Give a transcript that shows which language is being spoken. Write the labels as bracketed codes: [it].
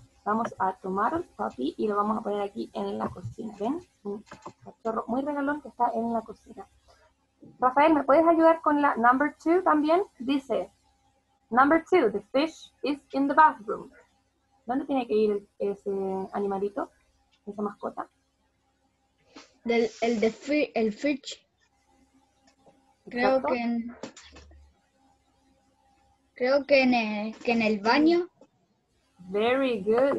[es] Vamos a tomar el puppy y lo vamos a poner aquí en la cocina. ¿Ven? Un cachorro muy regalón que está en la cocina. Rafael, ¿me puedes ayudar con la number two también? Dice, [en] number two, the fish is in the bathroom. [es] ¿Dónde tiene que ir ese animalito, esa mascota? El fish. Creo que en el baño. [en] Very good.